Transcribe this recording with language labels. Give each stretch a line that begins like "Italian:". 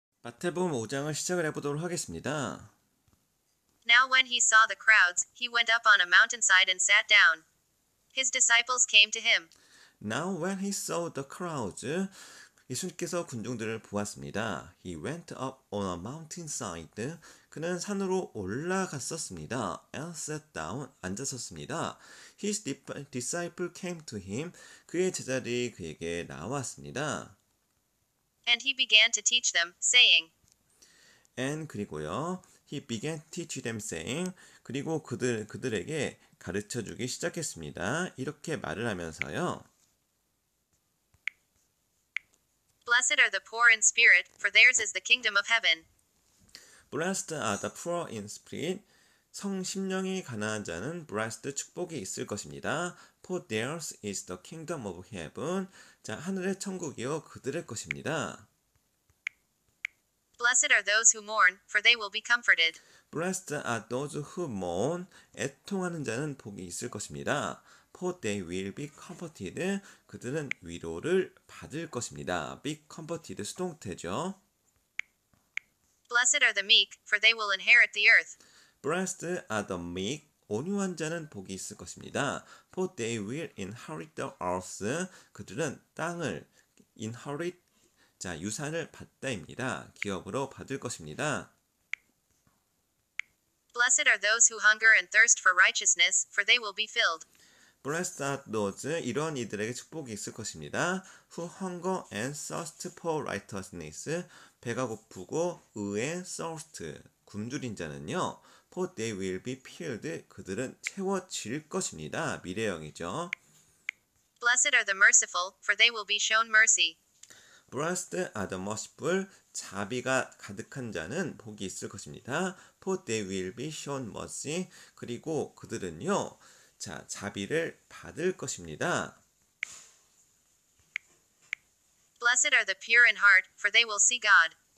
Korean: 마태복음 5장을 시작을 해보도록 하겠습니다.
English: Now when he saw the crowds, he went up on a mountainside and sat down. His disciples came to him. Now when he saw the crowds,
Korean: 예수님께서 군중들을 보았습니다.
English: He went up on a mountainside.
Korean: 그는 산으로 올라갔었습니다.
English: And sat down,
Korean: 앉았었습니다.
English: His disciple came to him.
Korean: 그의 제자들이 그에게 나왔습니다.
English: And he began to teach them, saying. And
Korean: 그리고요,
English: he began to teach them, saying.
Korean: 그리고 그들에게 가르쳐 주기 시작했습니다. 이렇게 말을 하면서요.
English: Blessed are the poor in spirit, for theirs is the kingdom of heaven. Blessed are the poor in spirit.
Korean: 성심령이 가난한 자는
English: blessed
Korean: 축복이 있을 것입니다.
English: For theirs is the kingdom of heaven.
Korean: 자, 하늘의 천국이요 그들의 것입니다.
English: Blessed are those who mourn, for they will be comforted. Blessed are those who mourn.
Korean: 애통하는 자는 복이 있을 것입니다.
English: For they will be comforted.
Korean: 그들은 위로를 받을 것입니다.
English: Be comforted
Korean: 수동태죠.
English: Blessed are the meek, for they will inherit the earth. Blessed are the meek.
Korean: 온유한 자는 복이 있을 것입니다.
English: For they will inherit the earth.
Korean: 그들은 땅을
English: inherit,
Korean: 자 유산을 받다입니다. 기업으로 받을 것입니다.
English: Blessed are those who hunger and thirst for righteousness, for they will be filled. Blessed are those,
Korean: 이런 이들에게 축복이 있을 것입니다.
English: Who hunger and thirst for righteousness,
Korean: 배가 고프고 의에
English: thirst,
Korean: 굶주린 자는요.
English: For they will be filled,
Korean: 그들은 채워질 것입니다. 미래형이죠.
English: Blessed are the merciful, for they will be shown mercy. Blessed are the merciful,
Korean: 자비가 가득한 자는 복이 있을 것입니다.
English: For they will be shown mercy,
Korean: 그리고 그들은요. 자, 자비를 받을 것입니다.
English: Blessed are the pure in heart, for they will see God.